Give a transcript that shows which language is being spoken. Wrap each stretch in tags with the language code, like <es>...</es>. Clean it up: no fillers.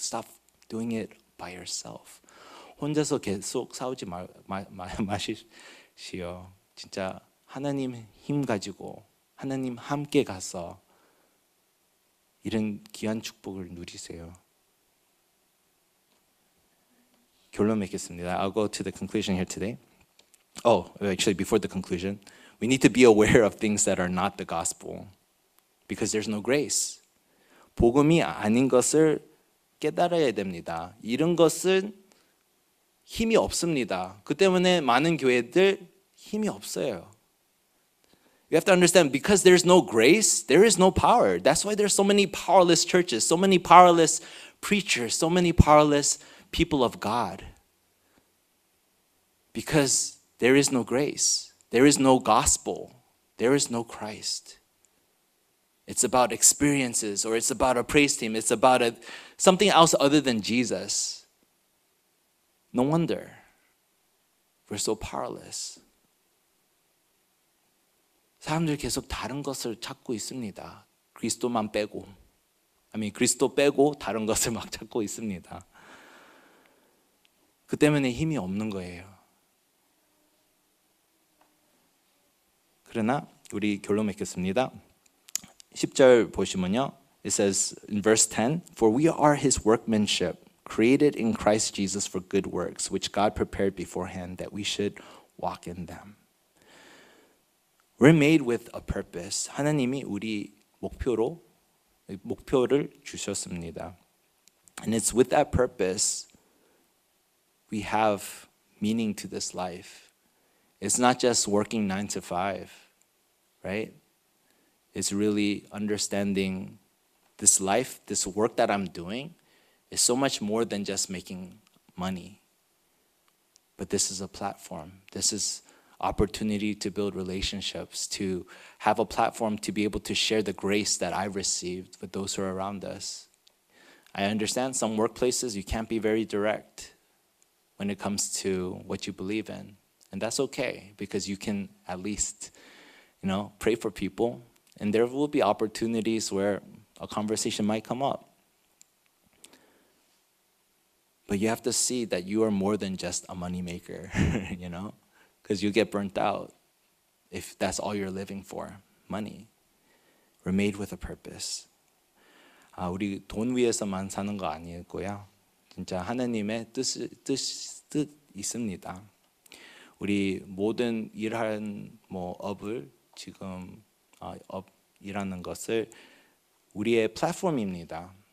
<en>Stop doing it by yourself.</en> <ko>혼자서 계속 싸우지 마시시오. 진짜 하나님 힘 가지고 하나님 함께 가서 이런 귀한 축복을 누리세요. 결론 맺겠습니다.</ko> <en>I'll go to the conclusion here today. Oh, actually, before the conclusion, we need to be aware of things that are not the gospel because there's no grace.</en> <ko>복음이 아닌 것을 깨달아야 됩니다. 이런 것은 힘이 없습니다. 그 때문에 많은 교회들 힘이 없어요.</ko> <en>You have to understand, because there's no grace, there is no power. That's why there's so many powerless churches, so many powerless preachers, so many powerless people of God. Because there is no grace. There is no gospel. There is no Christ. It's about experiences, or it's about a praise team. It's about something else other than Jesus. No wonder we're so powerless.</en> <ko>사람들 계속 다른 것을 찾고 있습니다. 그리스도만 빼고.</ko> <en>I mean,</en> <ko>그리스도 빼고 다른 것을 막 찾고 있습니다. 그 때문에 힘이 없는 거예요. 그러나 우리 결론 맺겠습니다. 10절 보시면요.</ko> <en>It says in verse 10, For we are his workmanship, created in Christ Jesus for good works, which God prepared beforehand that we should walk in them. We're made with a purpose.</en> <ko>하나님이 우리 목표를 주셨습니다.</ko> <en>And it's with that purpose we have meaning to this life. It's not just working 9 to 5, right? It's really understanding this life, this work that I'm doing is so much more than just making money. But this is a platform. This is opportunity to build relationships, to have a platform to be able to share the grace that I've received with those who are around us. I understand some workplaces you can't be very direct when it comes to what you believe in, and that's okay because you can at least you know, pray for people, and there will be opportunities where a conversation might come up. But you have to see that you are more than just a moneymaker, you know, because you get burnt out if that's all you're living for, money. We're made with a purpose.</en> <ko>아, 우리 돈 위해서만 사는 거 아니고요. 진짜 하나님의 뜻 있습니다. 우리 모든 일하는 뭐 업을 지금 업 일하는 것을 우리의 플랫폼입니다.</ko>